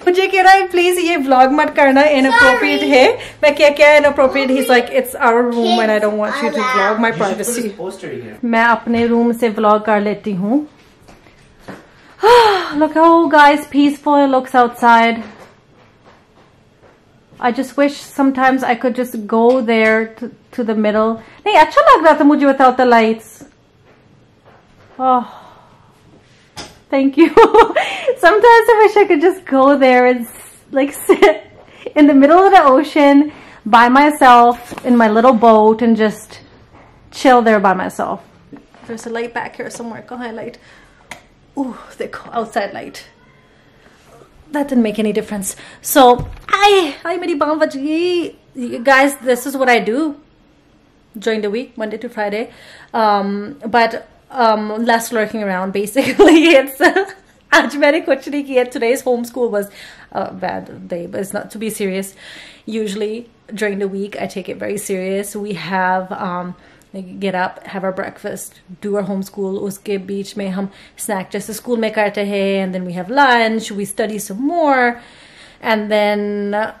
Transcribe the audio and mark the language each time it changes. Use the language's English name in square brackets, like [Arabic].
[Hindi] मुझे कह रहा है प्लीज ये व्लॉग मत करना इनअप्रोप्रिएट है मैं क्या क्या inappropriate he like [English] it's our room and I don't want you to vlog my privacy [Hindi] मैं अपने रूम से व्लॉग कर लेती हूँ [English] Look how guys peaceful it looks outside. I just wish sometimes I could just go there to the middle. [Hindi] नहीं अच्छा लग रहा था मुझे [English] without the lights. Oh. Thank you. Sometimes I wish I could just go there and like sit in the middle of the ocean by myself in my little boat and just chill there by myself. There's a light back here somewhere. Go highlight. Ooh, the outside light. That didn't make any difference. So, hi, [Hindi] meri baan baj gayi. [English] Guys, this is what I do during the week, Monday to Friday. But less lurking around, basically. [Hindi] It's आज मैंने कुछ नहीं किया. [English] Today's homeschool was a bad day, but it's not to be serious. Usually, during the week, I take it very serious. We have... get up, have our breakfast, do our homeschool. [Hindi] उसके बीच में हम snack जैसे school में करते है, [English] and then we have lunch, we study some more, and then